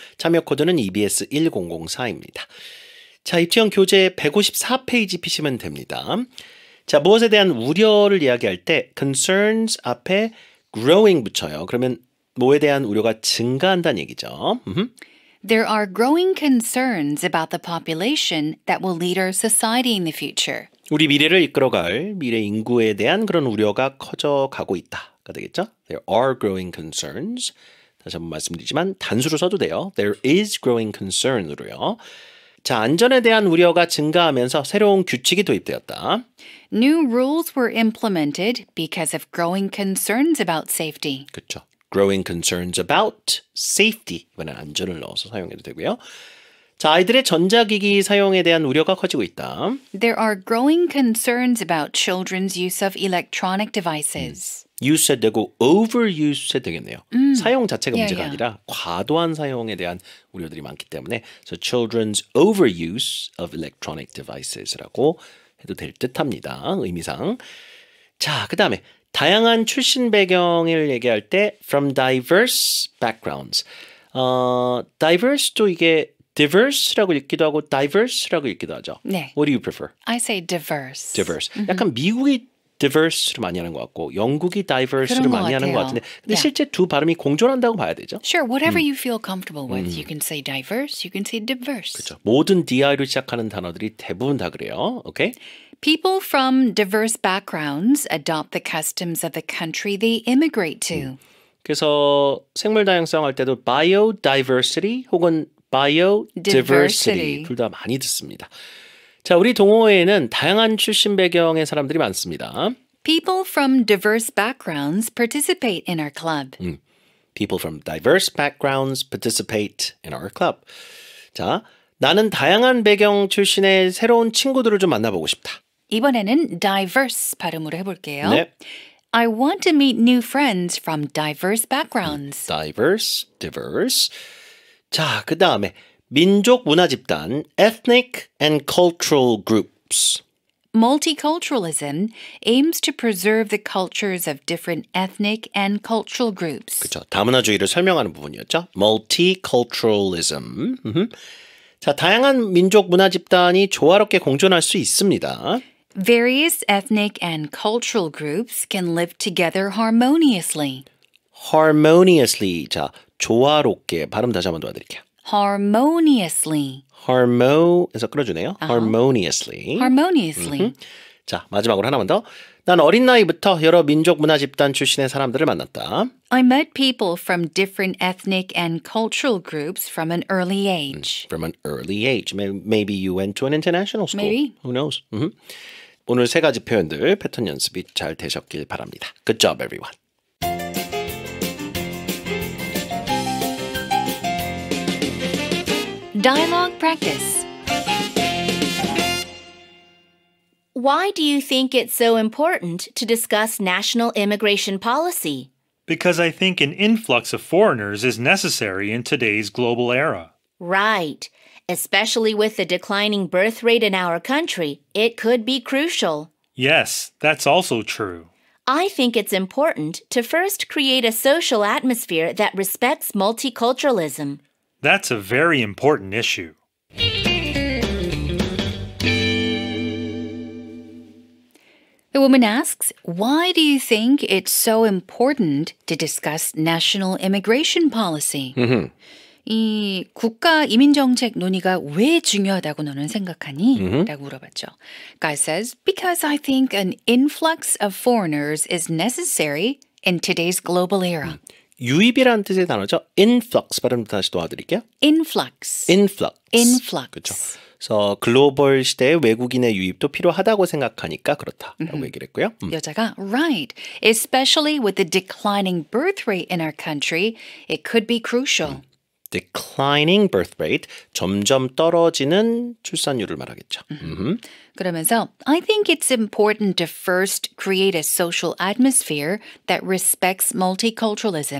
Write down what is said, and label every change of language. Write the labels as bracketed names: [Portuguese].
[Korean] 참여 코드는 EBS1004입니다. 자, 입지영 교재 154페이지 피시면 됩니다. 자, 무엇에 대한 우려를 이야기할 때 concerns 앞에 growing 붙여요. 그러면 뭐에 대한 우려가 증가한다는 얘기죠. [English] There are growing concerns about the population that will lead our society in the future. [Korean] 우리 미래를 이끌어갈 미래 인구에 대한 그런 우려가 커져가고 있다가 되겠죠. [English] There are growing concerns. [Korean] 다시 한번 말씀드리지만 단수로 써도 돼요. [English] There is growing concern으로요. [Korean] 자, 안전에 대한 우려가 증가하면서 새로운 규칙이 도입되었다. [English] New rules were implemented because of growing concerns about safety. 그렇죠. Growing concerns about safety. [Korean] 이번엔 안전을 넣어서 사용해도 되고요. 자, 아이들의 전자기기 사용에 대한 우려가 커지고 있다. [English] There are growing concerns about children's use of electronic devices. [Korean] Use 되고 overuse 되겠네요. 사용 자체가 문제가 아니라 과도한 사용에 대한 우려들이 많기 때문에 so children's overuse of electronic devices 라고 해도 될 듯합니다. 의미상. 자, 그 다음에 다양한 출신 배경을 얘기할 때 from diverse backgrounds. Diverse도 이게 diverse라고 읽기도 하고 diverse라고 읽기도 하죠. 네. [English] What do you prefer? I say diverse. [Korean] Diverse. 약간 미국이 diverse로 많이 하는 것 같고 영국이 diverse로 많이 하는 것 같은데 근데 실제 두 발음이 공존한다고 봐야 되죠. [English] Sure. Whatever you feel comfortable with. You can say diverse. You can say diverse. [Korean] 그렇죠. 모든 di로 시작하는 단어들이 대부분 다 그래요. [English] Okay? People from diverse backgrounds adopt the customs of the country they immigrate to. [Korean] 그래서 생물 다양성 할 때도 biodiversity 혹은 biodiversity 둘 다 많이 듣습니다. 자, 우리 동호회에는 다양한 출신 배경의 사람들이 많습니다. [English] People from diverse backgrounds participate in our club. People from diverse backgrounds participate in our club. [Korean] 자, 나는 다양한 배경 출신의 새로운 친구들을 좀 만나보고 싶다. 이번에는 diverse 발음으로 해볼게요. 네. [English] I want to meet new friends from diverse backgrounds. [Korean] Diverse, diverse. 자, 그 다음에 민족 문화 집단, ethnic and cultural groups. [English] Multiculturalism aims to preserve the cultures of different ethnic and cultural groups. [Korean] 그렇죠. 다문화주의를 설명하는 부분이었죠. Multiculturalism. 자, 다양한 민족 문화 집단이 조화롭게 공존할 수 있습니다. [English] Various ethnic and cultural groups can live together harmoniously. Harmoniously. [Korean] 자, 조화롭게 발음 다시 한번 도와드릴게요. [English] Harmoniously. [Korean] Harmo에서 끌어주네요. Uh-huh. Harmoniously. [English] Harmoniously. Uh-huh. [Korean] 자, 마지막으로 하나만 더. 난 어린 나이부터 여러 민족 문화 집단 출신의 사람들을 만났다. [English] I met people from different ethnic and cultural groups from an early age. From an early age. Maybe you went to an international school. Maybe. Who knows? Mm-hmm. [Korean] 오늘 세 가지 표현들 패턴 연습이 잘 되셨길 바랍니다. [English] Good job, everyone. Dialogue practice. Why do you think it's so important to discuss national immigration policy? Because I think an influx of foreigners is necessary in today's global era. Right. Especially with the declining birth rate in our country, it could be crucial. Yes, that's also true. I think it's important to first create a social atmosphere that respects multiculturalism. That's a very important issue. The woman asks, why do you think it's so important to discuss national immigration policy? Mm-hmm. [Korean] 이 국가 이민정책 논의가 왜 중요하다고 너는 생각하니? Mm-hmm. 라고 물어봤죠. [English] Guy says, because I think an influx of foreigners is necessary in today's global era. [Korean] 유입이라는 뜻의 단어죠. Influx 발음 다시 도와드릴게요. [English] Influx. Influx. Influx. [Korean] 그렇죠. 그래서 글로벌 시대에 외국인의 유입도 필요하다고 생각하니까 그렇다라고 mm-hmm. 얘기를 했고요. 여자가 right. [English] Especially with the declining birth rate in our country, it could be crucial. [Korean] Declining birth rate, 점점 떨어지는 출산율을 말하겠죠. Mm-hmm. Mm-hmm. [English] 그러면서 I think it's important to first create a social atmosphere that respects multiculturalism.